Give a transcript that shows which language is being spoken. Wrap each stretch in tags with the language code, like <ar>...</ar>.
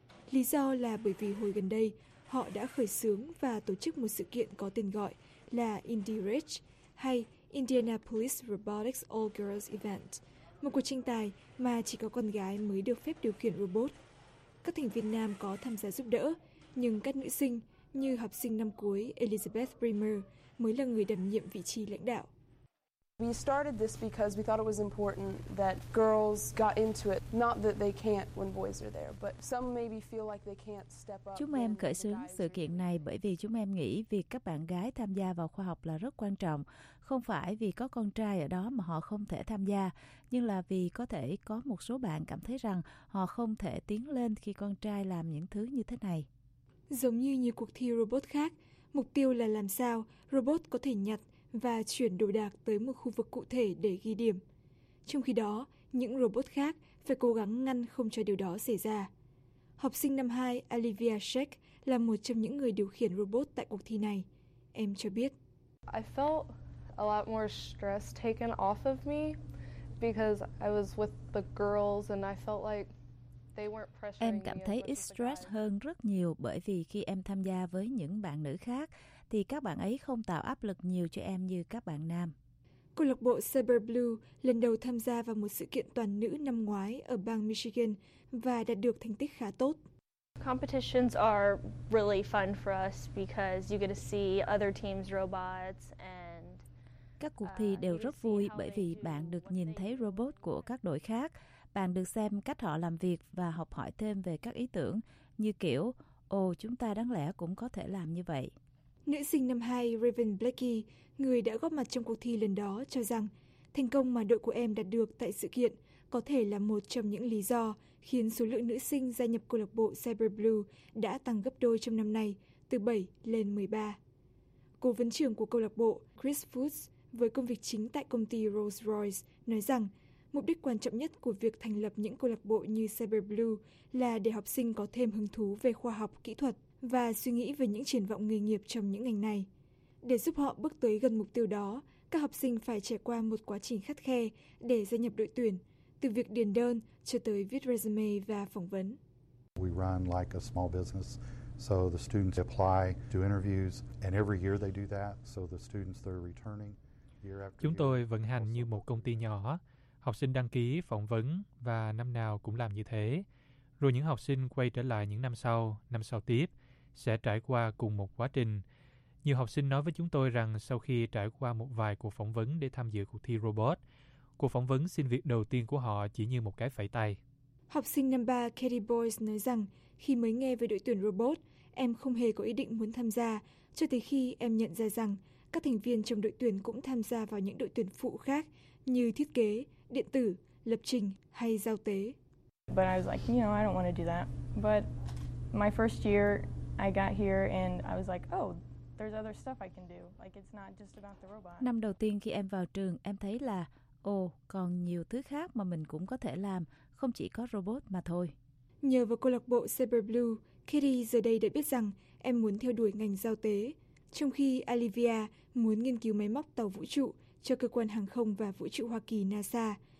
<vi>Lý do là bởi vì hồi gần đây, họ đã khởi xướng và tổ chức một sự kiện có tên gọi là IndyRage hay Indianapolis Robotics All Girls Event, một cuộc tranh tài mà chỉ có con gái mới được phép điều khiển robot. Các thành viên nam có tham gia giúp đỡ, nhưng các nữ sinh như học sinh năm cuối Elizabeth Bremer mới là người đảm nhiệm vị trí lãnh đạo.</vi> <en>We started this because we thought it was important that girls got into it, not that they can't when boys are there, but some maybe feel like they can't step up.</en> <vi>Chúng em khởi xướng sự kiện này bởi vì chúng em nghĩ việc các bạn gái tham gia vào khoa học là rất quan trọng, không phải vì có con trai ở đó mà họ không thể tham gia, nhưng là vì có thể có một số bạn cảm thấy rằng họ không thể tiến lên khi con trai làm những thứ như thế này. Giống như nhiều cuộc thi robot khác, mục tiêu là làm sao robot có thể nhặt và chuyển đồ đạc tới một khu vực cụ thể để ghi điểm. Trong khi đó, những robot khác phải cố gắng ngăn không cho điều đó xảy ra. Học sinh năm 2 Olivia Sheck là một trong những người điều khiển robot tại cuộc thi này. Em cho biết.</vi> <en>I felt a lot more stress taken off of me because I was with the girls and I felt like</en> <vi>em cảm thấy ít stress hơn rất nhiều bởi vì khi em tham gia với những bạn nữ khác thì các bạn ấy không tạo áp lực nhiều cho em như các bạn nam. Câu lạc bộ Cyber Blue lần đầu tham gia vào một sự kiện toàn nữ năm ngoái ở bang Michigan và đạt được thành tích khá tốt.</vi> <en>Competitions are really fun for us because you get to see other teams' robots and</en> <vi>các cuộc thi đều rất vui bởi vì bạn được nhìn thấy robot của các đội khác. Bạn được xem cách họ làm việc và học hỏi thêm về các ý tưởng, như kiểu, ồ, chúng ta đáng lẽ cũng có thể làm như vậy. Nữ sinh năm 2 Raven Blackie, người đã góp mặt trong cuộc thi lần đó, cho rằng thành công mà đội của em đạt được tại sự kiện có thể là một trong những lý do khiến số lượng nữ sinh gia nhập câu lạc bộ Cyber Blue đã tăng gấp đôi trong năm nay, từ 7 lên 13. Cố vấn trưởng của câu lạc bộ Chris Foods với công việc chính tại công ty Rolls-Royce nói rằng mục đích quan trọng nhất của việc thành lập những câu lạc bộ như Cyber Blue là để học sinh có thêm hứng thú về khoa học, kỹ thuật và suy nghĩ về những triển vọng nghề nghiệp trong những ngành này. Để giúp họ bước tới gần mục tiêu đó, các học sinh phải trải qua một quá trình khắt khe để gia nhập đội tuyển, từ việc điền đơn cho tới viết resume và phỏng vấn.</vi> <en>We run like a small business. So the students apply to interviews and every year they do that. So the students that are returning year after year.</en> <vi>Chúng tôi vận hành như một công ty nhỏ. Học sinh đăng ký phỏng vấn và năm nào cũng làm như thế. Rồi những học sinh quay trở lại những năm sau tiếp, sẽ trải qua cùng một quá trình. Nhiều học sinh nói với chúng tôi rằng sau khi trải qua một vài cuộc phỏng vấn để tham dự cuộc thi robot, cuộc phỏng vấn xin việc đầu tiên của họ chỉ như một cái phẩy tay. Học sinh năm 3 Katie Boyce nói rằng khi mới nghe về đội tuyển robot, em không hề có ý định muốn tham gia, cho tới khi em nhận ra rằng các thành viên trong đội tuyển cũng tham gia vào những đội tuyển phụ khác như thiết kế, điện tử, lập trình hay giao tế.</vi> <en>But I was like, you know, I don't want to do that. But my first year, I got here and I was like, oh, there's other stuff I can do. Like it's not just about the robot.</en> <vi>Năm đầu tiên khi em vào trường, em thấy là còn nhiều thứ khác mà mình cũng có thể làm, không chỉ có robot mà thôi. Nhờ vào câu lạc bộ Cyber Blue, Kitty giờ đây đã biết rằng em muốn theo đuổi ngành giao tế, trong khi Olivia muốn nghiên cứu máy móc tàu vũ trụ cho cơ quan hàng không và vũ trụ Hoa Kỳ NASA.</vi>